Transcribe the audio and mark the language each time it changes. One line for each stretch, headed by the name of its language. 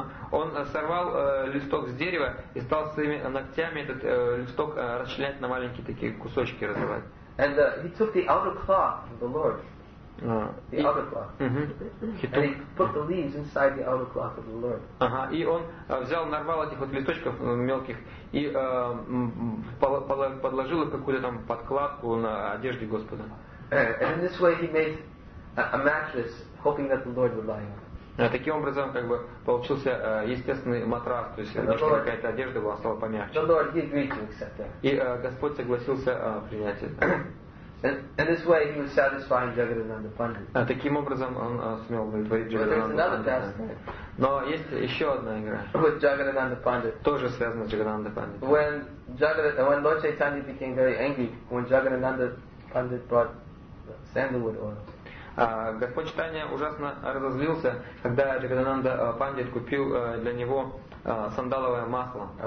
Russian: Он сорвал листок с дерева и стал своими ногтями этот листок расчленять на маленькие такие кусочки разрывать.
English: And he took the outer cloth of the Lord. And he put the leaves inside the outer cloth of the Lord.
Russian: И он взял, нарвал этих вот листочков мелких и подложил их какую-то там подкладку на одежде Господа.
English: And in this way he made a mattress, hoping that the Lord would lie on it.
Russian: Таким образом, как бы получился естественный матрас, то есть лишь какая-то одежда была, стала помягче.
English: The Lord he agreed to accept that.
Russian: И Господь согласился принять это.
English: And this way he was satisfying Jagannanda Pandit.
Russian: Таким образом он сумел удовлетворить Джагадананда Пандит. Но есть еще одна игра.
English: With Jagannanda Pandit.
Russian: Тоже связана с Джагадананда Пандит.
English: When Lord Chaitanya became very angry when Jagannanda Pandit brought sandalwood oil.
Russian: Господь Чайтанья ужасно разозлился, когда Джагадананда Пандит купил для него сандаловое масло.